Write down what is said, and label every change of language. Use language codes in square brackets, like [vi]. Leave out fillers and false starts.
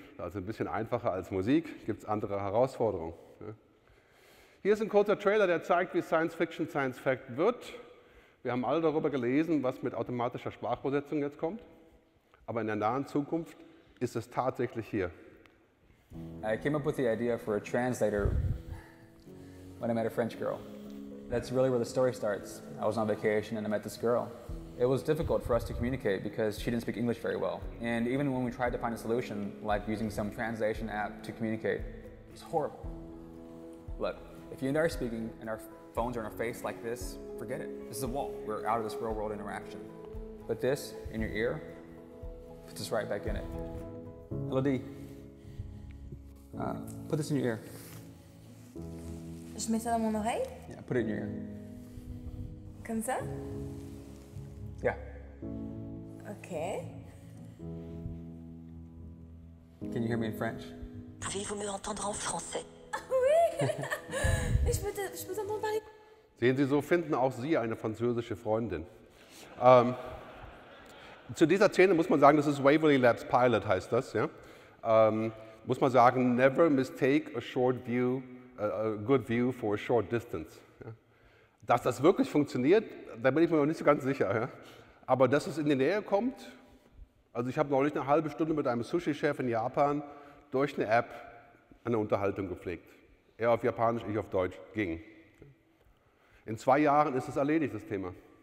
[de] Also ein bisschen einfacher als Musik, gibt es andere Herausforderungen. Hier ist ein kurzer Trailer, der zeigt, wie Science Fiction Science Fact wird. Wir haben alle darüber gelesen, was mit automatischer Sprachübersetzung jetzt kommt. Aber in der nahen Zukunft ist es tatsächlich hier. [en] I came up with the idea for a translator when I met a French girl. That's really where the story starts. I was on vacation and I met this girl. It was difficult for us to communicate because she didn't speak English very well. And even when we tried to find a solution, like using some translation app to communicate, it was horrible. Look, if you and I are speaking and our phones are in our face like this, forget it. This is a wall. We're out of this real world interaction. But this, in your ear, puts us right back in it. Hello, Dee. Put this in your ear. [fr] Je mets ça dans mon oreille? [en] Yeah, put it in your ear. [fr] Comme ça? [en] Yeah. Okay. Can you hear me in French? [fr] Pouvez-vous me entendre en français? Oui! Je peux t'entendre parler. [de] Sehen Sie, so finden auch Sie eine französische Freundin. Zu dieser Szene muss man sagen, das ist Waverly Labs Pilot, heißt das. Ja? Muss man sagen, [en] never mistake a short view, a good view for a short distance. [de] Ja? Dass das wirklich funktioniert, da bin ich mir noch nicht so ganz sicher. Ja? Aber dass es in die Nähe kommt, also ich habe neulich eine halbe Stunde mit einem Sushi-Chef in Japan durch eine App eine Unterhaltung gepflegt. Er auf Japanisch, ich auf Deutsch, ging. In 2 Jahren ist es erledigt, das Thema.